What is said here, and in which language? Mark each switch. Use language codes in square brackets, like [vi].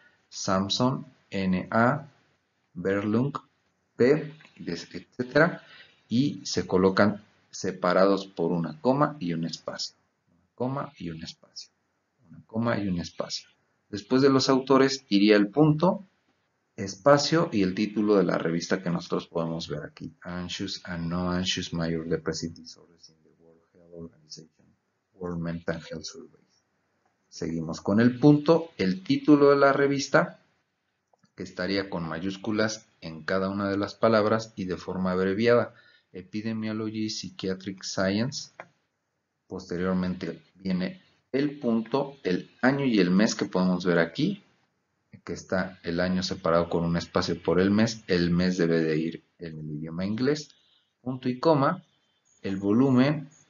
[en] Samson, N.A., Berlung, P., etc. [es] Y se colocan separados por una coma y un espacio. Una coma y un espacio. Una coma y un espacio. Después de los autores iría el punto, espacio y el título de la revista que nosotros podemos ver aquí. [en] Anxious and Non-Anxious Major Depressive Disorders in the World Health Organization, World Mental Health Survey. [es] Seguimos con el punto, el título de la revista, que estaría con mayúsculas en cada una de las palabras y de forma abreviada, Epidemiology Psychiatric Science. Posteriormente viene el punto, el año y el mes que podemos ver aquí, que está el año separado con un espacio por el mes debe de ir en el idioma inglés, punto y coma, el volumen.